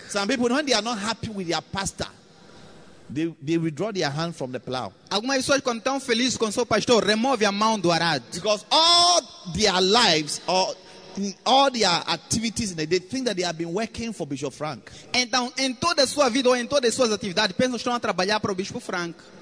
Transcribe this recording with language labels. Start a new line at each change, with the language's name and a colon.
English: Some people, when they are not happy with their pastor, they withdraw their hand from the plow.
Portuguese: Algumas pessoas quando estão felizes com seu pastor, remove a mão do arado.
English: Because all their lives are in all their activities, they think that they have been working for Bishop Frank.
Portuguese: Então, em toda a sua vida ou em todas as suas atividades, pensam que estão a trabalhar para o Bispo Frank.